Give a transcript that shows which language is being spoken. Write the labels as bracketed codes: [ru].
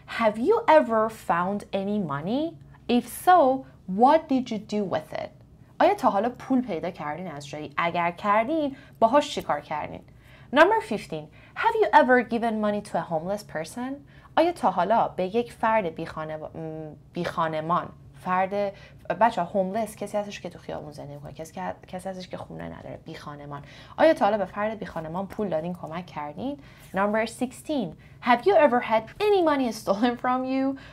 [en] Have you ever found any money? If so, what did you do with it? [fa] آیا تا حالا پول پیدا کردین از جایی؟ اگر کردین، باهاش چیکار کردین؟ [en] Number 15. Have you ever given money to a homeless person? [fa] آیا تا حالا به یک فرد بی خانمان فرد بچه هوملس کسی هستش که تو خیابون زندگی میکنه، کسی هستش که خونه نداره، بی خانمان، آیا تا حالا به فرد بی خانمان پول دادین، کمک کردین؟ [en] Number 16. Have you ever had any money stolen from you?